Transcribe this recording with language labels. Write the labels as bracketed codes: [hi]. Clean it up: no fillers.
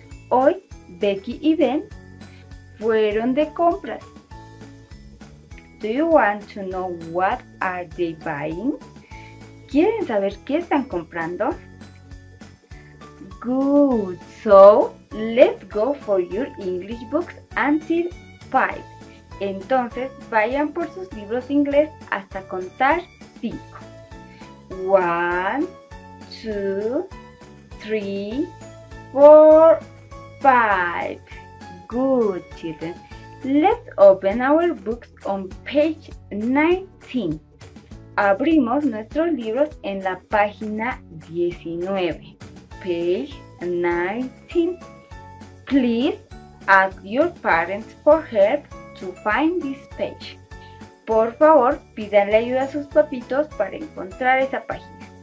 [es] Hoy, Becky y Ben fueron de compras. [en] Do you want to know what are they buying? [es] ¿Quieren saber qué están comprando? [en] Good. So, let's go for your English books until 5. [es] Entonces, vayan por sus libros de inglés hasta contar 5. [en] 1, 2, 3, 4, 5. Good, children. Let's open our books on page 19. [es] Abrimos nuestros libros en la página 19. [en] Page 19. Please ask your parents for help to find this page. [es] Por favor, pídanle ayuda a sus papitos para encontrar esa página.